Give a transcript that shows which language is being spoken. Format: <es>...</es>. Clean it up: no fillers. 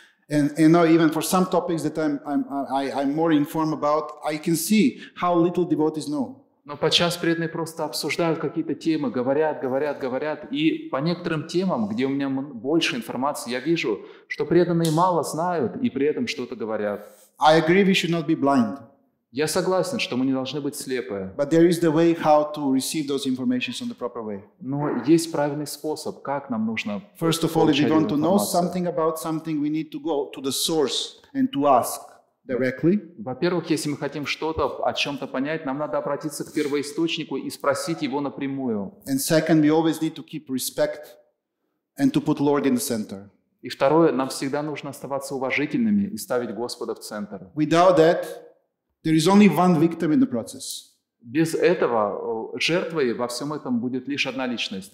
<en>And you know, even for some topics that I'm more informed about, I can see how little devotees know.</en> <ru>Но подчас преданные просто обсуждают какие-то темы, говорят. И по некоторым темам, где у меня больше информации, я вижу, что преданные мало знают и при этом что-то говорят.</ru> <en>I agree we should not be blind.</en> <ru>Я согласен, что мы не должны быть слепы.</ru> <en>But there is the way how to receive those informations in the proper way.</en> <ru>Но есть правильный способ, как нам нужно получать информацию.</ru> <en>First of all, if we want to know something about something, we need to go to the source and to ask. Directly.</en> <ru>Во-первых, если мы хотим что-то о чем-то понять, нам надо обратиться к первоисточнику и спросить его напрямую.</ru> <en>And second, we always need to keep respect and to put Lord in the center.</en> <ru>И второе, нам всегда нужно оставаться уважительными и ставить Господа в центр.</ru> <en>Without that, there is only one victim in the process.</en> <ru>Без этого жертвой во всем этом будет лишь одна личность.</ru>